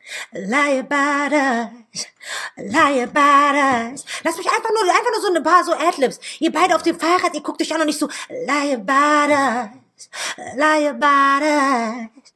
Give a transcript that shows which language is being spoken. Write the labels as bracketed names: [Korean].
[English] Lie about us, lie about us. [German] Lass mich einfach nur so ein paar so Adlibs. Ihr beide auf dem Fahrrad, ihr guckt euch auch noch nicht so. [English] Lie about us, lie about us.